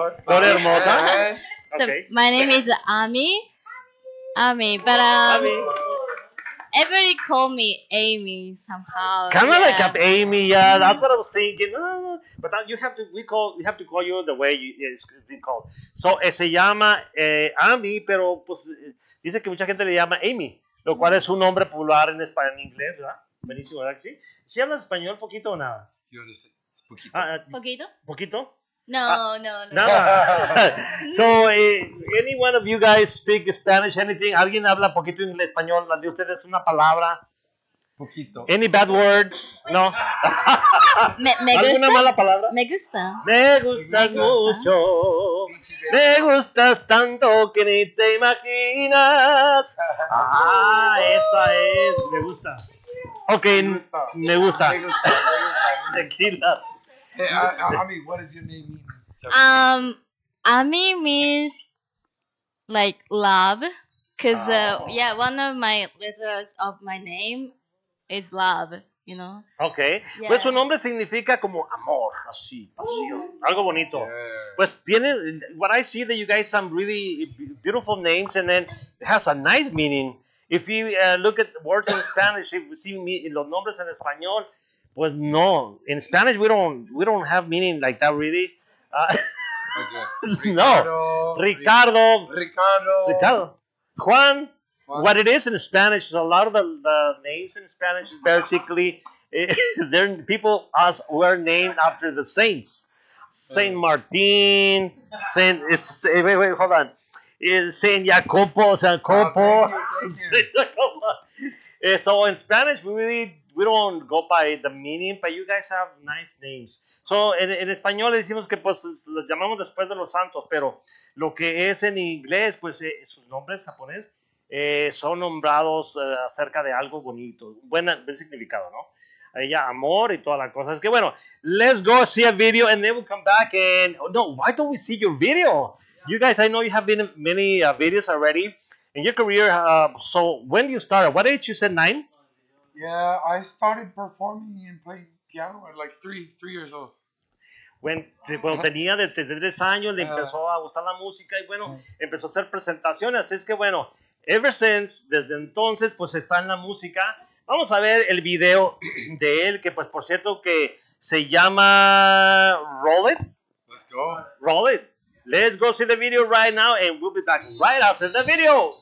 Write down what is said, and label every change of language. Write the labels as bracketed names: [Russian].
[Spanish] Flor hermosa. [English] So okay. My name is Ami. Ami. But Ami. Everybody call me Amy somehow. Kind of like up Amy, yeah. That's what I was thinking. But we have to call you the way it's been called. [Spanish] So se llama Ami, pero pues dice que mucha gente le llama Amy. Lo cual es un nombre popular en español, en inglés, ¿verdad? Buenísimo, ¿verdad? ¿Sí? ¿Sí hablas español poquito o nada? Yo no sé. ¿Poquito? ¿Poquito? No. Nada. [English] So, any one of you guys speak Spanish, anything? [Spanish] ¿Alguien habla poquito en español? ¿La de ustedes una palabra? Poquito. [English] ¿Any bad words? No. [Spanish] ¿Me gusta? ¿Alguna mala palabra? Me gusta mucho. Me gustas tanto que ni te imaginas. Ah, esa es. Me gusta. Ok, me gusta. Tequila. [English] Hey, Ami, what does your name mean? Ami means like love. Because, one of my letters of my name is love, you know? Ok. Yeah. [Spanish] Pues su nombre significa como amor, así, pasión, algo bonito. [English] Yeah. [Spanish] Pues tiene, [English] what I see that you guys have really beautiful names, and then it has a nice meaning. If you look at words in Spanish, if you see [Spanish] los nombres en español, pues no. [English] In Spanish, we don't have meaning like that, really. Okay. Ricardo, no. Ricardo. Juan. What it is in Spanish is a lot of the names in Spanish, basically, people ask were named after the saints. Saint Martin, Saint. Wait, hold on. Saint Jacopo, San Copo. So in Spanish, we don't go by the meaning, but you guys have nice names. [Spanish] So en español decimos que pues los llamamos después de los santos, pero lo que es en inglés, pues sus nombres japonés. Son nombrados acerca de algo bonito, buen significado, ¿no? ella amor y toda la cosa. Es que bueno, [English] let's go see a video and then we'll come back and no, why don't we see your video? You guys, I know you have been in many videos already in your career. So when you started, what age you said, 9? Yeah, I started performing and playing piano at like 3 years old. [Spanish] Cuando tenía desde 3 años, le empezó a gustar la música y bueno, empezó a hacer presentaciones. Así es que bueno, [English] ever since, [Spanish] desde entonces, pues está en la música. Vamos a ver el video de él, que pues por cierto que se llama Roll It. [English] Let's go. Roll It. Let's go see the video right now and we'll be back right after the video.